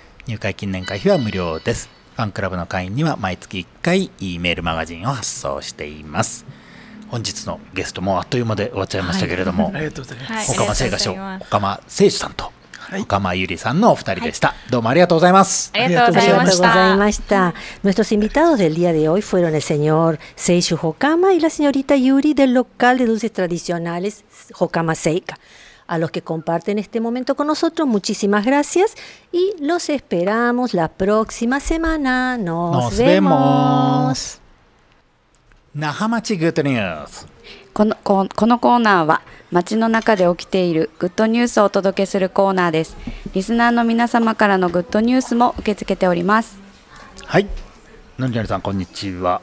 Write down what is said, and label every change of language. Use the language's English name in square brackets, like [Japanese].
[Japanese] 入会記念会費は無料です。ファンクラブの会員には毎月1回 E メールマガジンを発送しています。本日のゲストもあっという間で終わっちゃいましたけれども、はい、ありがとうございます。岡間聖歌手、岡間聖主さんと、はい、岡間ゆりさんのお二人でした、はい。どうもありがとうございます。ありがとうございました。ありがとうございました。 [Spanish] Nuestros invitados del día de hoy fueron el señor Seishu Hokama y la señorita Yuri del local de dulces tradicionales Hokama Seika. A los que comparten este momento con nosotros, muchísimas gracias y los esperamos la próxima semana. Nos vemos. [Japanese] 那覇町グッドニュース。このコーナーは町の中で起きているグッドニュースをお届けするコーナーです。リスナーの皆様からのグッドニュースも受け付けております。はい、のりのりさん、こんにちは。